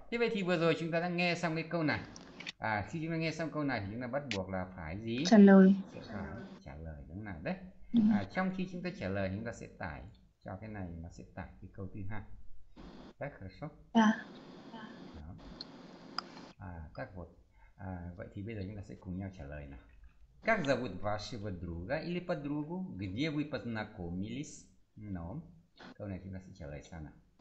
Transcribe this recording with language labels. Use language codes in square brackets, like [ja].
[vi] Thế vậy thì vừa rồi chúng ta đã nghe xong cái câu này. À, khi chúng ta nghe xong câu này thì chúng ta bắt buộc là phải gì? Trả lời đúng nào đấy. À, trong khi chúng ta trả lời, chúng ta sẽ tải cho cái này, nó sẽ tải cái câu thứ hai. [ru] Так хорошо. Да. À, так вот. [vi] À, vậy thì bây giờ chúng ta sẽ cùng nhau trả lời nào. [ru] Как зовут вашего друга или подругу? Где вы познакомились? [vi] Но câu này chúng ta sẽ trả lời sao nào?